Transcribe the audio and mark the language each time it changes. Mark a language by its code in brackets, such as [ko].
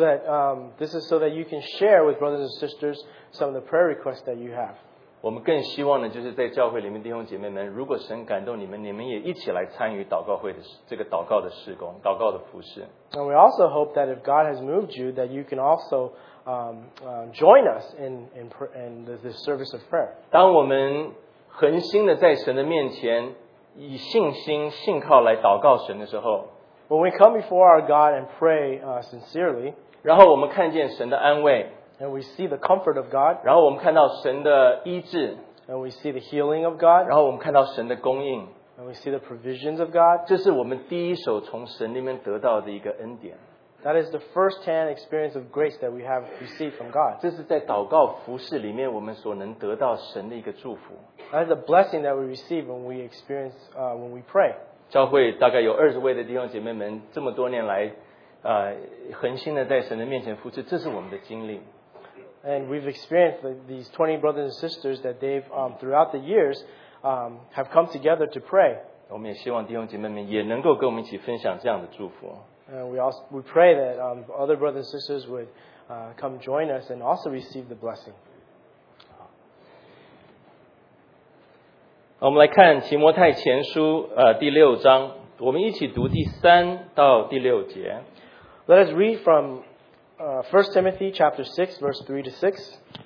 [en] that this is so that you can share with brothers and sisters some of the prayer requests that you have. [zh] 我们更希望呢，就是在教会里面弟兄姐妹们，如果神感动你们，你们也一起来参与祷告会的这个祷告的事工、祷告的服事。 [en] And we also hope that if God has moved you, that you can also join us in the service of prayer. [zh] 当我们恒心的在神的面前以信心信靠来祷告神的时候， [en] when we come before our God and pray sincerely, [zh] 然后我们看见神的安慰， [en] and we see the comfort of God, [zh] 然后我们看到神的医治， [en] and we see the healing of God, [zh] 然后我们看到神的供应， [en] And we see the provisions of God. [zh] 这是我们第一手从神里面得到的一个恩典。 [en] That is the first-hand experience of grace that we have received from God. [zh] 这是在祷告服事里面我们所能得到神的一个祝福。 [en] That is the blessing that we receive when we experience when we pray. [zh] 教会大概有20位的弟兄姐妹们这么多年来 恒心的在神的面前服事，这是我们的经历。 [en] And we've experienced that these 20 brothers and sisters that they've throughout the years have come together to pray. [zh] 我们也希望弟兄姐妹们也能够跟我们一起分享这样的祝福。 [en] And we pray that other brothers and sisters would come join us and also receive the blessing. [zh] 我们来看提摩太前书第六章，我们一起读第三到第六节。 [en] Let us read from 1 Timothy chapter 6, verse 3 to 6.